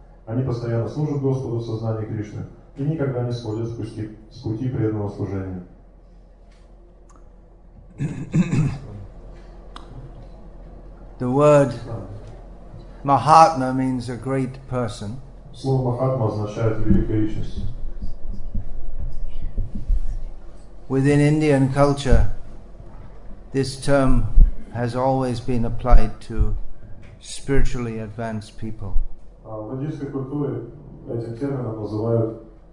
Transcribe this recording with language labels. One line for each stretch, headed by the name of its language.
Russian: Они постоянно служат Господу в сознании Кришны, и никогда не сходят с пути преданного служения.
English: The word Mahatma means a great person.
Russian: Слово Махатма означает великая личность.
English: Within Indian culture, this term has always been applied to spiritually advanced people.
Russian: В индийской культуре этим термином называют